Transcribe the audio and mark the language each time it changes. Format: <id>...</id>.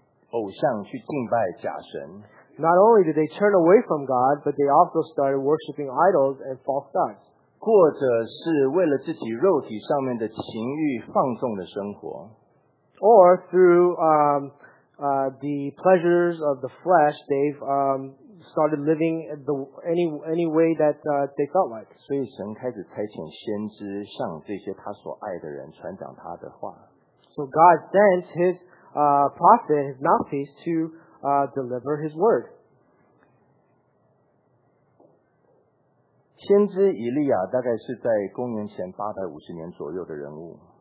<zh>他们不但远离神，他们去敬拜偶像，去敬拜假神。</zh> <en>Not only did they turn away from God, but they also started worshipping idols and false gods.</en> <zh>或者是为了自己肉体上面的情欲放纵的生活。</zh> <en>Or through the pleasures of the flesh, they've started living any way that they felt like.</en> <zh>所以神开始差遣先知向这些他所爱的人传讲他的话。</zh> <en>So God sent his prophet, his mouthpiece, to deliver his word.</en> <zh>先知以利亚大概是在公元前850年左右的人物。</zh>